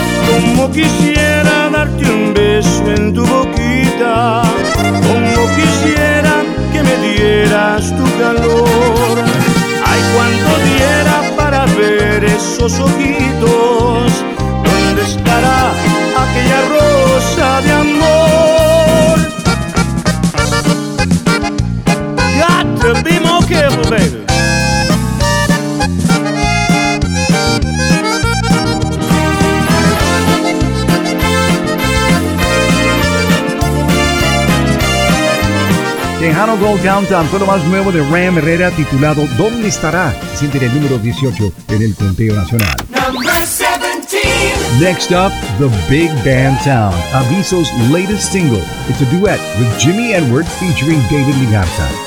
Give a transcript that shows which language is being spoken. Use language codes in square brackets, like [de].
[es] Como quisiera darte un beso en tu boquita, como quisiera que me dieras tu calor. Ay, cuánto diera para ver esos ojitos. ¿Dónde estará aquella rosa de amor? [en] Got to be more careful, baby. [es] Tejano Gold Countdown fue lo más nuevo de Ram Herrera, titulado ¿Dónde estará? Siente el número 18 en el conteo nacional. [en] Number 17. Next up, The Big Band Town, Aviso's latest single. It's a duet with Jimmy Edward featuring David Ligarza.